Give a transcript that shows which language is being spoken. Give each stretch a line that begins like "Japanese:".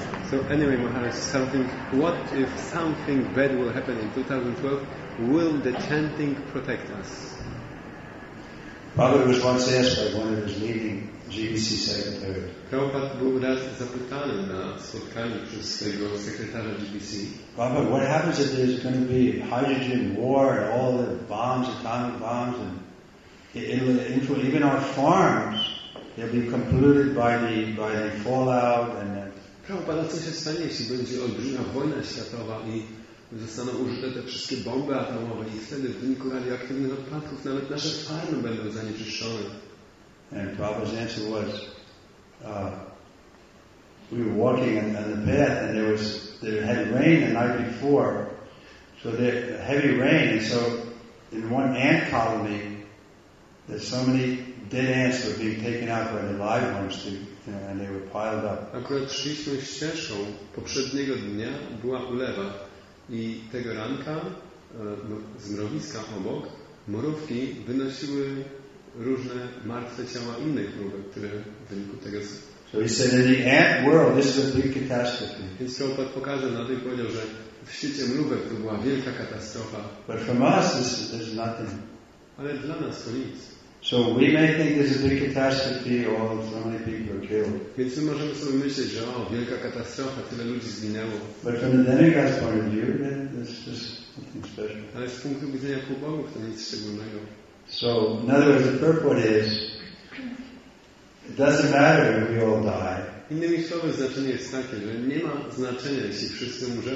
English: So anyway, Maharaj, what if something bad will happen in 2012? Will the chanting protect us? Prabhupada was once asked by one of his leading GBC secretaries.
Polish: Prabhupada był raz zapytany na spotkaniu przez swojego sekretarza GBC.
English: Prabhupada, what happens if there's going to be hydrogen war and all the bombs, atomic bombs, and even our farms, they'll be polluted by the fallout and that.
Polish: Prabhupada, co się stanie, jeśli będzie olbrzymia wojna światowa i zostaną użyte te wszystkie bomby atomowe i wtedy w wyniku radioaktywnych odpadków nawet nasze farmy będą zanieczyszczone.
English: And Prabhupada's answer was, we were walking on the path and there had rain the night before, so there heavy rain, and so in one ant colony there's so many dead ants were being taken out by the live ones too. And they were piled up.
Polish: Akurat szliśmy ścieżką poprzedniego dnia, była ulewa. I tego ranka z mrowiska obok mrówki wynosiły różne martwe ciała innych mrówek, które w wyniku tego.
English: So he said, in the ant world, this is a big catastrophe.
Polish: Więc Prabhupada pokazał na tym, powiedział, że w świecie mrówek to była wielka katastrofa.
English: But from us, there's nothing.
Polish: Ale dla nas to nic.
English: So we may think this is a big catastrophe, or so many people are killed.
Polish: Więc my możemy sobie myśleć, że o, wielka katastrofa, tyle ludzi zginęło.
English: But from the demigod's point of view, then this is nothing special.
Polish: Ale z punktu widzenia półbogów to nic szczególnego.
English: So in other words, the purport is, it doesn't matter if we all die.
Polish: Innymi słowy, znaczenie jest takie, że nie ma znaczenia, jeśli wszyscy umrzemy.